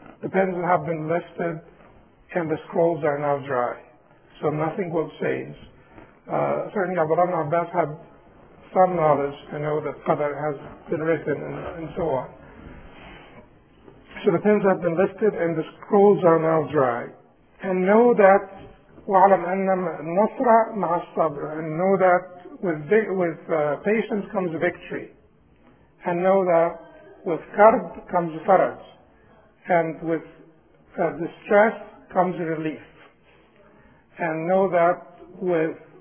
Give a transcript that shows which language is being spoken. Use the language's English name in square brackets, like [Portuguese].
[English] The pens have been lifted and the scrolls are now dry. So nothing will change. Certainly Abdullah ibn Abbas had some knowledge to know that qadr has been written and so on. So the pens have been lifted and the scrolls are now dry. And know that, [Arabic] وَعْلَمْ أَنَّمَ النَّصْرَ مَعَ الصَّبْرِ. [English] And know that With patience comes victory. And know that with karb comes faraj. And with distress comes relief. And know that with